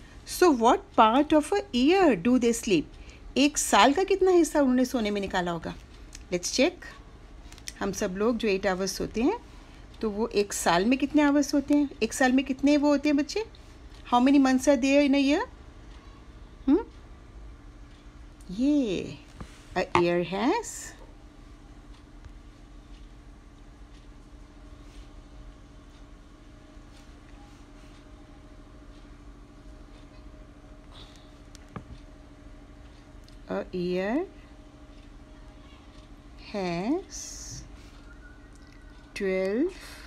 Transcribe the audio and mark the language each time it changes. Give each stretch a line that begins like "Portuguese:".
English: So what part of a year do they sleep?
Hindi: एक साल का कितना हिस्सा उन्होंने सोने में निकाला होगा?
English: Let's check.
Hindi: हम सब लोग जो 8 hours सोते हैं, तो वो एक साल में कितने hours होते हैं? एक साल में कितने वो होते हैं बच्चे?
English: How many months are there in a year? ये a year has 12